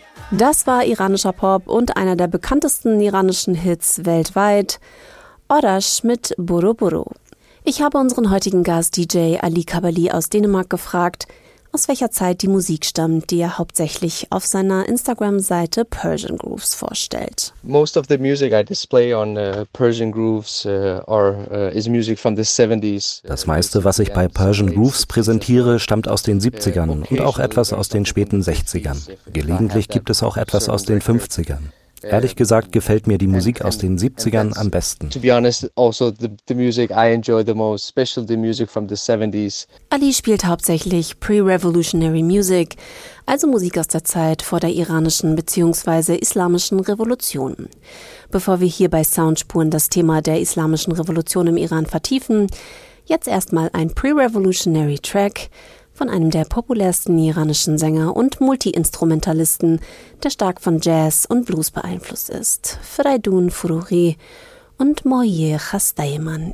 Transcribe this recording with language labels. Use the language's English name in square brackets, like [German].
[German] Das war iranischer Pop und einer der bekanntesten iranischen Hits weltweit, Orash mit Buru Buru. Ich habe unseren heutigen Gast DJ Ali Kabali aus Dänemark gefragt, aus welcher Zeit die Musik stammt, die er hauptsächlich auf seiner Instagram-Seite Persian Grooves vorstellt. [English] Most of the music I display on Persian Grooves is music from the 70s. [German] Das meiste, was ich bei Persian Grooves präsentiere, stammt aus den 70ern und auch etwas aus den späten 60ern. Gelegentlich gibt es auch etwas aus den 50ern. Ehrlich gesagt gefällt mir die Musik aus den 70ern am besten. [English] To be honest, also the music I enjoy the most, especially the music from the 70s. [German] Ali spielt hauptsächlich [English] pre-revolutionary music, [German] also Musik aus der Zeit vor der iranischen bzw. islamischen Revolution. Bevor wir hier bei Soundspuren das Thema der islamischen Revolution im Iran vertiefen, jetzt erstmal ein pre-revolutionary Track von einem der populärsten iranischen Sänger und Multi-Instrumentalisten, der stark von Jazz und Blues beeinflusst ist, Fereydoon Furughi und Moye Khastayman.